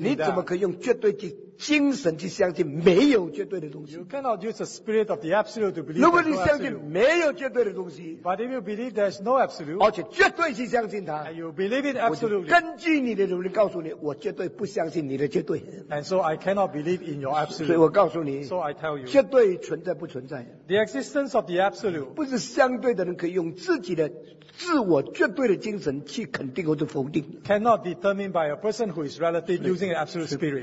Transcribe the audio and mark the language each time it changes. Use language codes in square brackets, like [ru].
[en] in that, [zh] 你怎么可以用绝对的精神去相信没有绝对的东西? [en] You cannot use the spirit of the absolute to believe. [zh] 如果你相信没有绝对的东西, [en] but if you believe there is no absolute, [zh] 而且绝对去相信它, [en] and you believe it absolutely, [zh] 根据你的努力告诉你, 我绝对不相信你的绝对, [en] and so I cannot believe in your absolute. [zh] 所以我告诉你, [en] so I tell you, [zh] 绝对存在不存在, [en] the existence of the absolute, [zh] 不是相对的, 人可以用自己的自我绝对的精神去肯定或者否定, [en] cannot determine by a person who is relative using an absolute spirit.